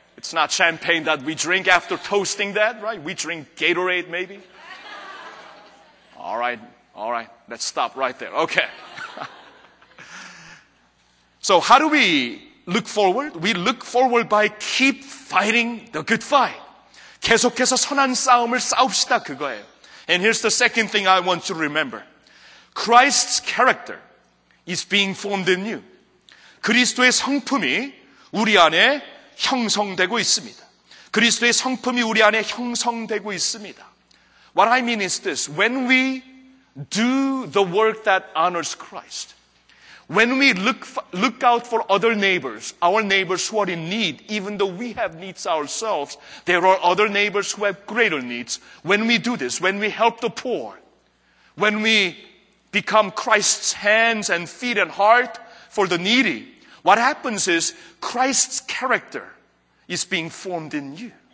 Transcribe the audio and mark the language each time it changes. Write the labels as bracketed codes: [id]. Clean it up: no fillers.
[en] It's not champagne that we drink after toasting that, right? We drink Gatorade, maybe. All right. All right. Let's stop right there. Okay. So how do we look forward? We look forward by keep fighting the good fight. [ko] 계속해서 선한 싸움을 싸웁시다, 그거예요. [en] And here's the second thing I want to remember. Christ's character is being formed in you. [ko] 그리스도의 성품이 우리 안에 형성되고 있습니다. 그리스도의 성품이 우리 안에 형성되고 있습니다. [en] What I mean is this. When we do the work that honors Christ, when we look out for other neighbors, our neighbors who are in need, even though we have needs ourselves, there are other neighbors who have greater needs. When we do this, when we help the poor, when we become Christ's hands and feet and heart, for the needy, what happens is Christ's character is being formed in you.